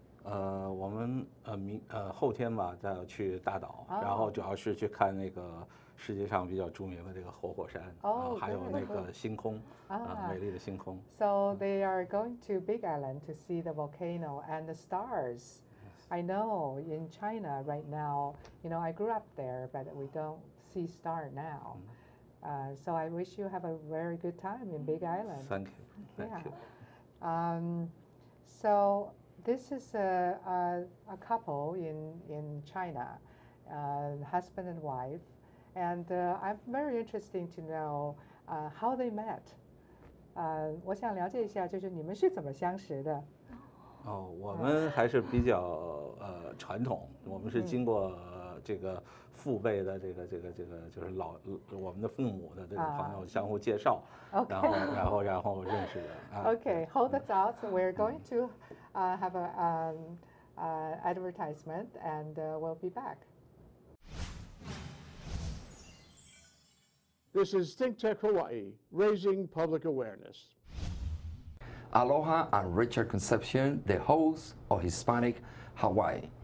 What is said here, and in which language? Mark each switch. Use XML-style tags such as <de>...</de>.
<zh>我们后天吧，再要去大岛，哦，然后主要是去看那个世界上比较著名的这个活 火山，哦，还有那个星空，啊，美丽的星空。</zh> <en>So they are going to Big Island to see the volcano and the stars. I know in China right now, you know, I grew up there, but we don't see star now. So I wish you have a very good time in Big Island. Thank you. So this is a couple in China, husband and wife. And I'm very interested to know how they met.</en> <zh>我想了解一下就是你们是怎么相识的。哦，我们还是比较传统，我们是经过这个父辈的这个就是老我们的父母的这个朋友相互介绍，然后认识的。</zh> <en>Okay, hold it out. We're going to have an advertisement and we'll be back. This is ThinkTech Hawaii, raising public awareness. Aloha, I'm Richard Concepcion, the host of Hispanic Hawaii.</en>